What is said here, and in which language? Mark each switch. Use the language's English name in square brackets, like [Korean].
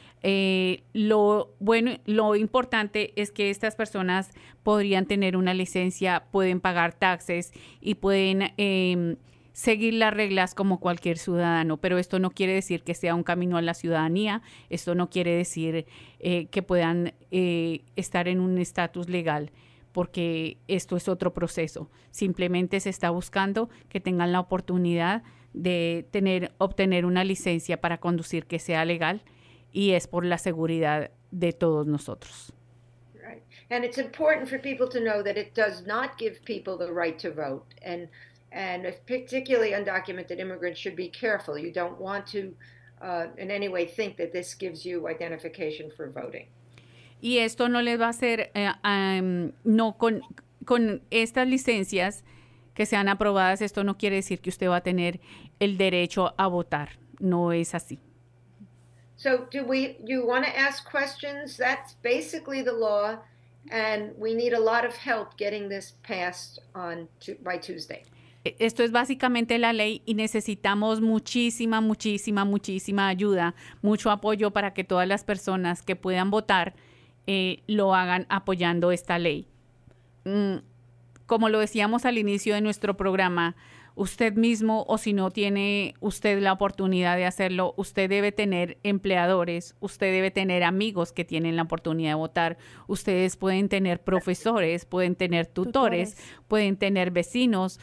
[Spanish] Lo importante es que estas personas podrían tener una licencia, pueden pagar taxes y pueden seguir las reglas como cualquier ciudadano, pero esto no quiere decir que sea un camino a la ciudadanía, esto no quiere decir que puedan estar en un estatus legal, porque esto es otro proceso. Simplemente se está buscando que tengan la oportunidad de obtener una licencia para conducir que sea legal, y es por la seguridad de todos nosotros. [English] Right. And it's important for people to know that it does not give people the right to vote. And if particularly undocumented immigrants should be careful. You don't want to in any way think that this gives you identification for voting. [Spanish] Y esto no les va a hacer no con estas licencias que sean aprobadas, esto no quiere decir que usted va a tener el derecho a votar. No es así. [English] So you want to ask questions? That's basically the law, and we need a lot of help getting this passed by Tuesday. [Spanish] Esto es básicamente la ley y necesitamos muchísima, muchísima, muchísima ayuda, mucho apoyo para que todas las personas que puedan votar lo hagan apoyando esta ley. Como lo decíamos al inicio de nuestro programa, usted mismo, o si no tiene usted la oportunidad de hacerlo, usted debe tener empleadores, usted debe tener amigos que tienen la oportunidad de votar, ustedes pueden tener profesores, pueden tener tutores, pueden tener vecinos,